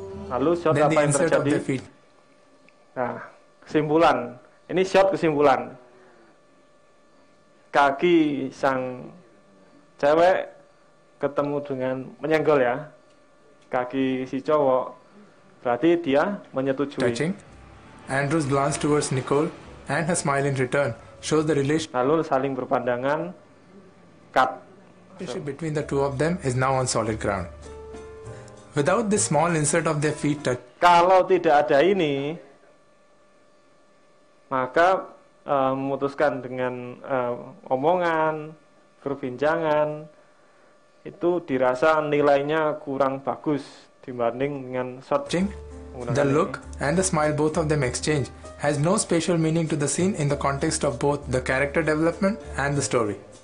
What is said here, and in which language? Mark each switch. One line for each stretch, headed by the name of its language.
Indonesian: Lalu shot apa yang terjadi? Nah, kesimpulan. Ini shot kesimpulan. Kaki sang cewek ketemu dengan menyenggol ya. Kaki si cowok. Berarti dia menyetujui.
English: Touching. Andrew's glance towards Nicole and her smile in return shows the relation.
Indonesian: Lalu saling berpandangan. Cut.
English: Relationship between the two of them is now on solid ground. Without this small insert of their feet touch.
Indonesian: Kalau tidak ada ini, maka memutuskan dengan omongan, perbincangan itu dirasa nilainya kurang bagus dibanding dengan searching.
English: The look and the smile both of them exchange has no special meaning to the scene in the context of both the character development and the story.